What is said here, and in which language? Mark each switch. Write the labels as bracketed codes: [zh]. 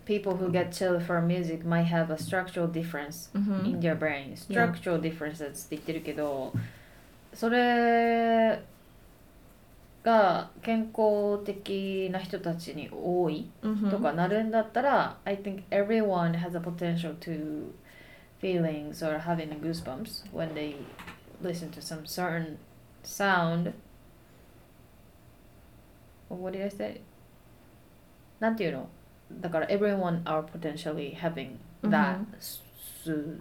[en] People who get chill from music might have a structural difference、 mm-hmm. in their brain. Structural、yeah. differences [ja] って言ってるけど、それが健康的な人たちに多いとかなるんだったら、 mm-hmm. [en] I think everyone has a potential to feelings or having goosebumps when they listen to some certain sound. What did I say? [ja] なんていうの？だから [en] everyone are potentially having that、mm-hmm.